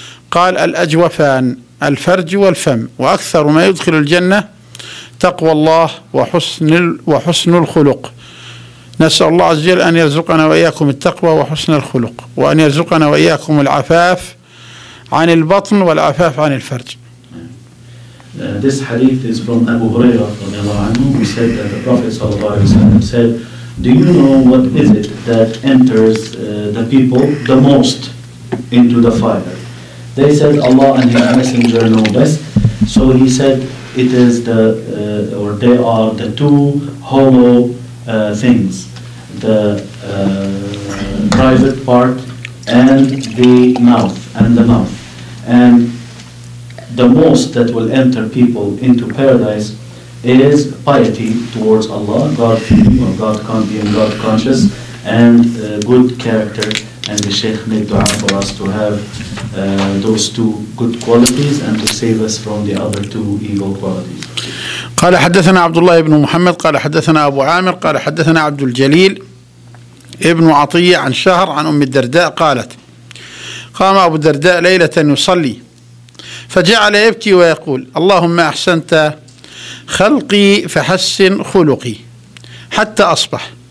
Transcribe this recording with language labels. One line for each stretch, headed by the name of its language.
Arabic: قال: الأجوفان، الفرج والفم، وأكثر ما يدخل الجنة تقوى الله وحسن الخلق. نسأل الله عز وجل أن يرزقنا وإياكم التقوى وحسن الخلق، وأن يرزقنا وإياكم العفاف عن البطن والعفاف عن الفرج.
English: This hadith is from Abu Huraira
Arabic: رضي الله عنه.
English: He said that the Prophet
Arabic: صلى الله عليه وسلم
English: said, "Do you know what is it that enters the people the most into the fire. They said Allah and His Messenger know best. So he said, it is the or they are the two hollow things, the private part and the mouth, and the mouth. And the most that will enter people into paradise is piety towards Allah, God feeling or God being God conscious, and good character. And the Shaykh made dua for us to have those two good qualities and to save us from the other two evil qualities.
Arabic: قال حدثنا عبد الله بن محمد قال حدثنا أبو عامر قال حدثنا عبد الجليل ابن عطية عن شهر عن أم الدرداء قالت قام أبو الدرداء ليلة يصلي فجعل يبكي ويقول اللهم أحسنت خلقي فحسن خلقي حتى أصبح.